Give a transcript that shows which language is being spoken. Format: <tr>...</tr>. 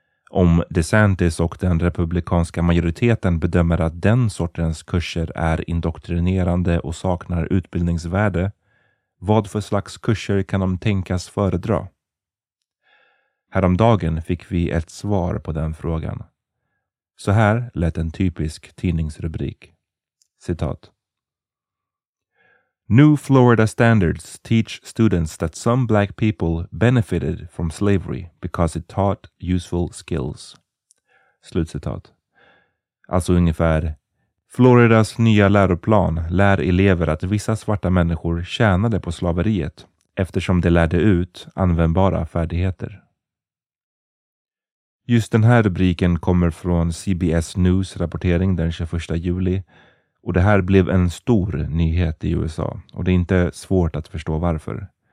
<sv>Om DeSantis och den republikanska majoriteten bedömer att den sortens kurser är indoktrinerande och saknar utbildningsvärde, vad för slags kurser kan de tänkas föredra? Häromdagen fick vi ett svar på den frågan. Så här lät en typisk tidningsrubrik. Citat.</sv> <en>New Florida standards teach students that some black people benefited from slavery because it taught useful skills.</en> <sv>Slutcitat. Alltså ungefär. Floridas nya läroplan lär elever att vissa svarta människor tjänade på slaveriet eftersom de lärde ut användbara färdigheter. Just den här rubriken kommer från CBS News rapportering den 21 juli och det här blev en stor nyhet i USA och det är inte svårt att förstå varför.</sv>